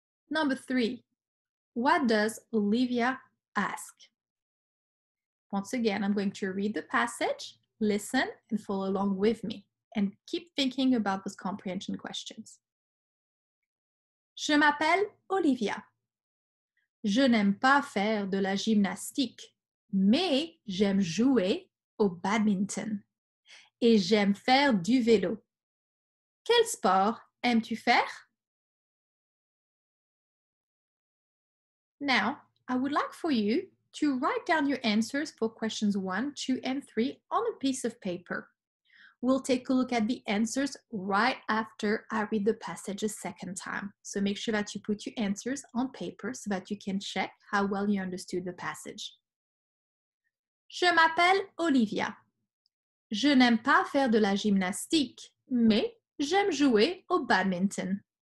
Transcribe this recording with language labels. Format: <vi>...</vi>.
<en>Number three, what does Olivia ask? Once again, I'm going to read the passage, listen, and follow along with me, and keep thinking about those comprehension questions.</en> <fr>Je m'appelle Olivia. Je n'aime pas faire de la gymnastique, mais j'aime jouer au badminton. Et j'aime faire du vélo. Quel sport aimes-tu faire?</fr> <en>Now, I would like for you to write down your answers for questions 1, 2, and 3 on a piece of paper. We'll take a look at the answers right after I read the passage a second time. So make sure that you put your answers on paper so that you can check how well you understood the passage.</en> <fr>Je m'appelle Olivia. Je n'aime pas faire de la gymnastique, mais j'aime jouer au badminton.</fr>